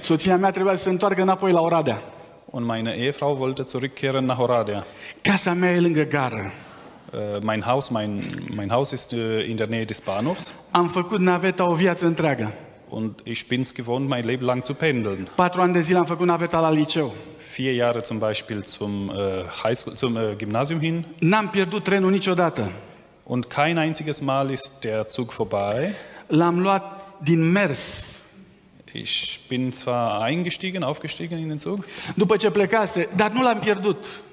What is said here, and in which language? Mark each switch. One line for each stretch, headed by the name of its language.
Romanian: Soția mea trebuia să se întoarcă înapoi la Oradea.
German: Und meine Ehefrau wollte zurückkehren nach Oradea.
Romanian: Casa mea e lângă gară.
German: Mein Haus ist in der Nähe des Bahnhofs.
Romanian: Am făcut naveta o viață întreagă.
German: Und ich bin's gewohnt, mein Leben lang zu pendeln.
Romanian: 4 ani de zile am făcut naveta la liceu.
German: 4 Jahre zum Beispiel zum High School, zum Gymnasium hin.
Romanian: N-am pierdut trenul niciodată.
German: Und kein einziges Mal ist der Zug vorbei.
Romanian: L-am luat din mers.
German: Ich bin zwar aufgestiegen in den Zug.
Romanian: După ce plecase, dar nu l-am pierdut.